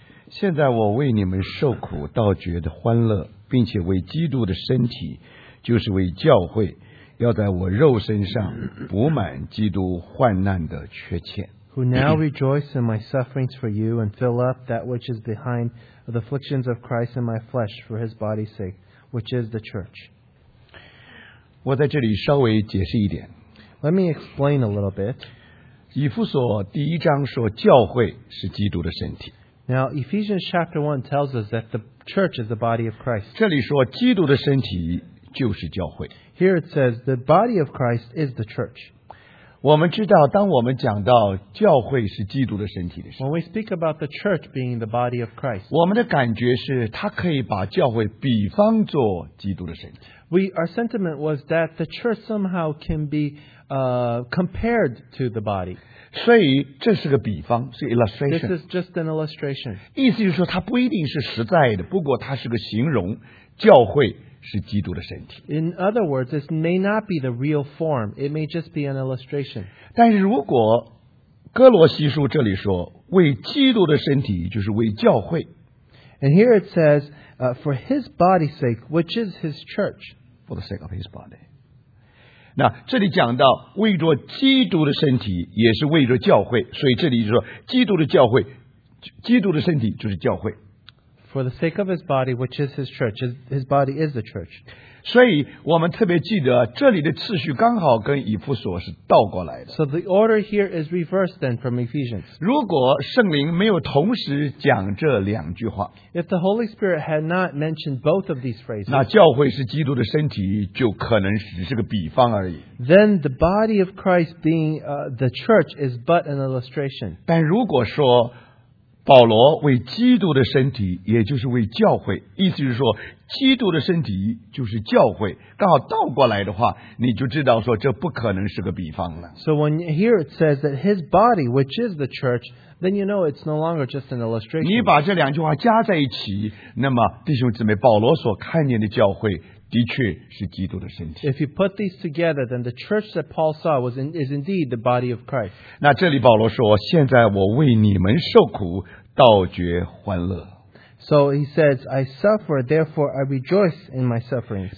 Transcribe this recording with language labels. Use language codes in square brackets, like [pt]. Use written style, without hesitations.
[zh] 现在我为你们受苦倒觉得欢乐，并且为基督的身体，就是为教会，要在我肉身上补满基督患难的缺欠。 [en] Who now rejoice in my sufferings for you and fill up that which is behind of the afflictions of Christ in my flesh for his body's sake, which is the church. [zh] 我在这里稍微解释一点。 [en] Let me explain a little bit. [zh] 以弗所第一章说教会是基督的身体。 [en] Now, Ephesians chapter 1 tells us that the church is the body of Christ. [zh] 这里说基督的身体就是教会。 [en] Here it says the body of Christ is the church. [zh] 我们知道当我们讲到教会是基督的身体的时候， [en] When we speak about the church being the body of Christ, [zh] 我们的感觉是它可以把教会比方作基督的身体。 [en] Our sentiment was that the church somehow can be compared to the body. [zh] 所以这是个比方，是 illustration. [en] This is just an illustration. [zh] 意思就是说它不一定是实在的，不过它是个形容，教会是基督的身体。 [en] In other words, this may not be the real form. It may just be an illustration. [zh] 但是如果哥罗西书这里说，为基督的身体就是为教会。 [en] And here it says, for his body's sake, which is his church. For the sake of his body. [zh] 那这里讲到为着基督的身体也是为着教会，所以这里就说基督的教会，基督的身体就是教会。 [en] For the sake of his body, which is his church, his body is the church. [zh] 所以我们特别记得这里的次序刚好跟以弗所是倒过来的。 [en] So the order here is reversed then from Ephesians. [zh] 如果圣灵没有同时讲这两句话， [en] If the Holy Spirit had not mentioned both of these phrases, [zh] 那教会是基督的身体就可能只是个比方而已。 [en] Then the body of Christ being the church is but an illustration. [zh] 但如果说保罗为基督的身体，也就是为教会，意思是说基督的身体就是教会，刚好倒过来的话，你就知道说这不可能是个比方了。 [en] So when here it says that his body, which is the church, then you know it's no longer just an illustration. [zh] 你把这两句话加在一起，那么弟兄姊妹，保罗所看见的教会的确是基督的身体。 [en] If you put these together, then the church that Paul saw is indeed the body of Christ. [zh] 那这里保罗说，现在我为你们受苦，倒觉欢乐。 [en] So he says, I suffer, therefore I rejoice in my sufferings.